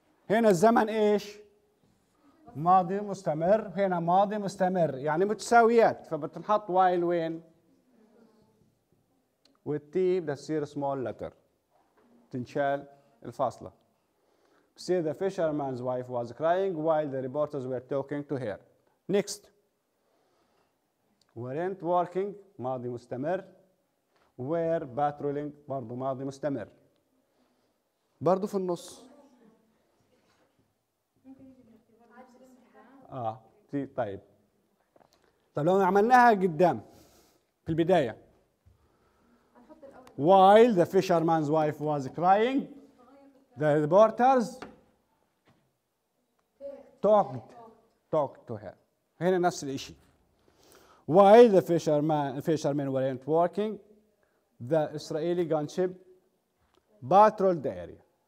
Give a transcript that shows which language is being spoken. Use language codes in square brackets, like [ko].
[ar] هنا الزمن إيش؟ ماضي مستمر. هنا ماضي مستمر. يعني متساويات. فبتنحط while وين؟ والتي بدها تصير [en] small letter [ar] تنشال الفاصلة. [en] See the fisherman's wife was crying while the reporters were talking to her. Next. Weren't working [ar] ماضي مستمر. [en] Were patrolling [ar] برضو ماضي مستمر. برضو في النص. طيب. طيب لو عملناها قدام في البداية. [en] While the fisherman's wife was crying, the reporters talked to her. [ar] هنا نفس الشيء. [en] While the fishermen weren't working, the Israeli gunship patrolled the area.